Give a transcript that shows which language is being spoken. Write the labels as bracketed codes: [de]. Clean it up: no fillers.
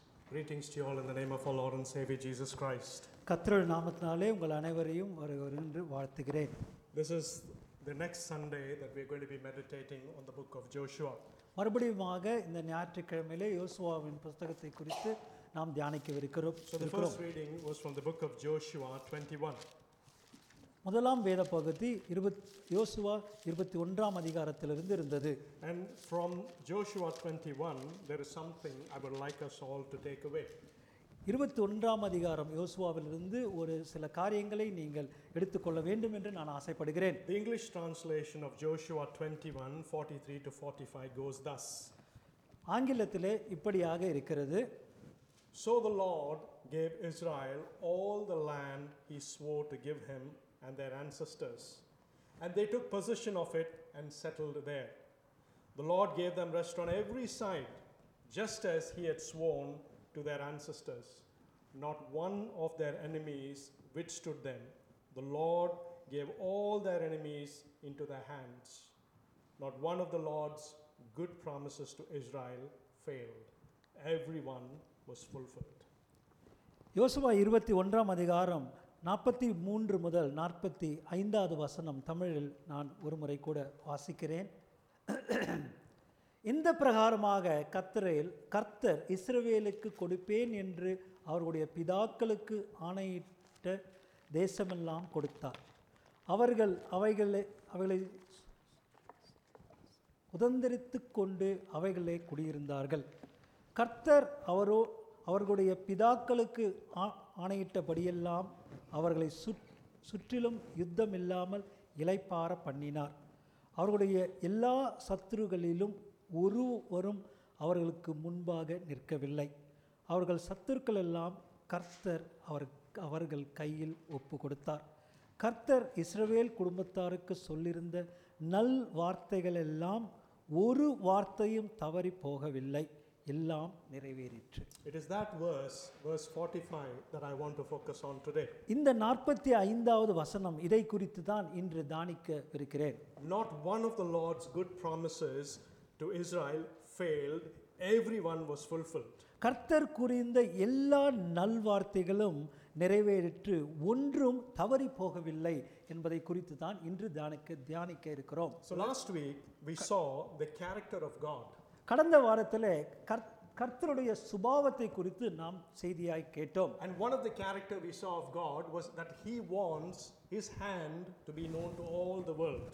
[en] Greetings to you all in the name of our Lord and Savior Jesus Christ. [ta] கர்த்தர் நாமத்தினாலே உங்கள் அனைவரையும் வரவேற்கிறேன் வாழ்த்துகிறேன். [en] This is the next Sunday that we are going to be meditating on the book of Joshua. [ta] மறுபடியும் இந்த ஞாயிற்றுக்கிழமையிலே யோசுவாவின் புத்தகத்தை குறித்து நாம் தியானிக்க இருக்கிறோம். [en] So the first reading was from the book of Joshua 21. [ta] முதலாம் வேத பகுதி யோசுவா 21 அதிகாரத்திலிருந்து இருந்தது. [en] And from Joshua 21 there is something I would like us all to take away. [ta] 21 அதிகாரம் யோசுவாவிலிருந்து ஒரு சில காரியங்களை நீங்கள் எடுத்துக்கொள்ள வேண்டும் என்று நான் ஆசைப்படுகிறேன். [en] The English translation of Joshua 21 43 to 45 goes thus. [ta] ஆங்கிலத்திலே இப்படியாக இருக்கிறது. [en] So the Lord gave Israel all the land he swore to give him and their ancestors, and they took possession of it and settled there. The Lord gave them rest on every side, just as he had sworn to their ancestors. Not one of their enemies withstood them. The Lord gave all their enemies into their hands. Not one of the Lord's good promises to Israel failed. Everyone was fulfilled. [ta] யோசுவா 21 அதிகாரம் 43 முதல் 45 வசனம் தமிழில் நான் ஒருமுறை கூட வாசிக்கிறேன். இந்த பிரகாரமாக கர்த்தர் இஸ்ரவேலுக்கு கொடுப்பேன் என்று அவர்களுடைய பிதாக்களுக்கு ஆணையிட்ட தேசமெல்லாம் கொடுத்தார். அவர்கள் அவைகளை உதந்தரித்து கொண்டு அவைகளே குடியிருந்தார்கள். கர்த்தர் அவர்களுடைய பிதாக்களுக்கு ஆணையிட்டபடியெல்லாம் அவர்களை சுற்றிலும் யுத்தம் இல்லாமல் இளைப்பார பண்ணினார். அவர்களுடைய எல்லா சத்துருகளிலும் ஒருவரும் அவர்களுக்கு முன்பாக நிற்கவில்லை. அவர்கள் சத்துருக்கள் எல்லாம் கர்த்தர் அவர்கள் கையில் ஒப்பு கொடுத்தார். கர்த்தர் இஸ்ரவேல் குடும்பத்தாருக்கு சொல்லியிருந்த நல் வார்த்தைகள் எல்லாம் ஒரு வார்த்தையும் தவறி போகவில்லை, எல்லாம் நிறைவேறிற்று. [en] It is that verse 45 that I want to focus on today. [ta] இந்த 45th வசனம் இதை குறித்து தான் இன்று தியானிக்க இருக்கிறேன். [en] Not one of the Lord's good promises to Israel failed, everyone was fulfilled. [ta] கர்த்தர் கூறிய எல்லா நல்வார்த்தைகளும் நிறைவேறிற்று, ஒன்றும் தவறி போகவில்லை என்பதை குறித்து தான் இன்று தியானிக்க இருக்கிறோம். [en] So last week we saw the character of God. [ta] கடந்த வாரத்தில் கர்த்தருடைய சுபாவத்தை குறித்து நாம் செய்தியாய் கேட்டோம். [en] And one of the character we saw of God was that he wants his hand to be known to all the world.